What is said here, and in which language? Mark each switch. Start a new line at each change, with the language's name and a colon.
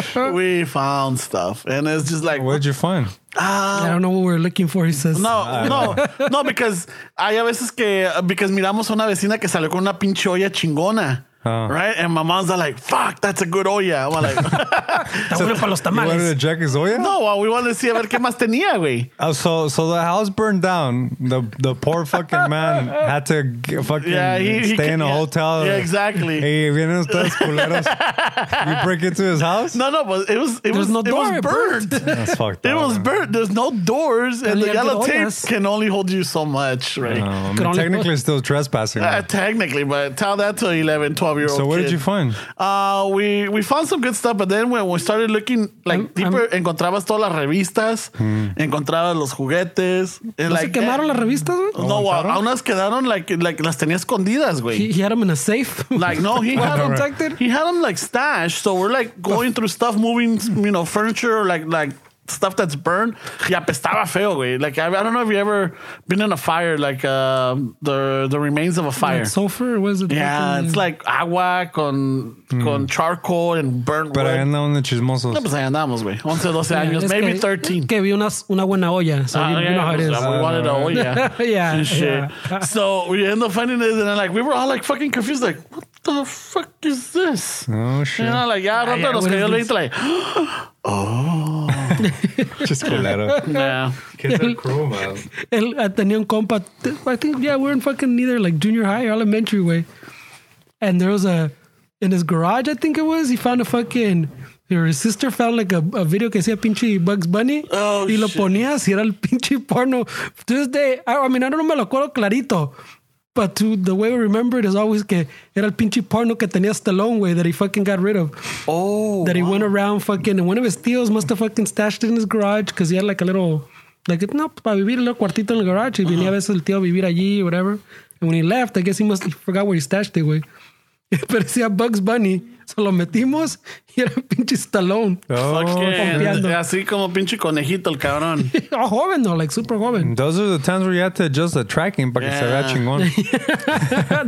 English: We found stuff. And it's just like... What'd you find? I don't know what we were looking for, he says.
Spanish: No, because... Hay a veces que... Because miramos a una vecina que salió con una pinche olla chingona. Oh. Right?
English: And my mom's like, fuck, that's a good olla. I'm like... That's bueno para los tamales. You wanted to check his olla? No, well, we wanted to see a ver qué más tenía, güey. So the house burned down. The poor fucking man had to stay in a hotel. Yeah, exactly. Hey, vienen ustedes culeros. You break into his house? No, but it was burnt. That's fucked up. It was burnt. There's no doors. And the yellow tape can only hold you so much, right? Technically, still trespassing. Technically, but tell that to 11, 12-year-old So what kid. Did you find? We found some good stuff, but then when we started looking like deeper, encontrabas todas las revistas, encontrabas los juguetes.
Spanish: ¿No
English: like,
Spanish: se quemaron las revistas, güey? No, a unas quedaron like las tenía escondidas, güey.
English: He had them in a safe. Like, no, he had them protected. He had them like stashed. So we're like going through stuff, moving, you know, furniture, like stuff that's burned. Y apestaba feo, güey. Like, I don't know if you ever been in a fire, like the remains of a fire. Like sulfur? What is it? Yeah, it's like agua con charcoal and burnt
Spanish: pero
English: wood.
Spanish: Pero ahí andaban de chismosos. No, pues ahí andamos, güey. 11, 12 yeah, años, maybe que, 13. Que vi una buena olla. So you know how it is.
English: We wanted an olla. Yeah. And shit. Yeah. So we end up finding this, and then, like, we were all like fucking confused, like, what the fuck is this? Oh, shit. You know, like, ya rato nos cayó el 20, like, oh. Just culero. Yeah. Kids are cruel, man. We're in fucking either like junior high or elementary way. And there was in his garage, I think it was, he found a fucking, or his sister found like a video que decía pinche Bugs Bunny. Oh,
Spanish: y lo ponía, si era el pinche porno.
English: To this day, I mean, I don't know, me lo acuerdo clarito. But the way we remember it is always que era el pinche porno que tenía Stallone, güey, that he fucking got rid of. Oh, that he went around fucking, and one of his tíos must have fucking stashed it in his garage because he had like a little, like, no, para vivir el cuartito en el garage.
Spanish: Y venía a veces el tío a vivir allí or whatever.
English: And when he left, I guess he forgot where he stashed it, güey.
Spanish: Pero decía Bugs Bunny, se lo metimos y era pinche Stallone. Oh, fucking. Así como pinche conejito el cabrón. Oh, joven, though, like super joven.
English: Those are the times where you had to adjust the tracking para que se vea chingón.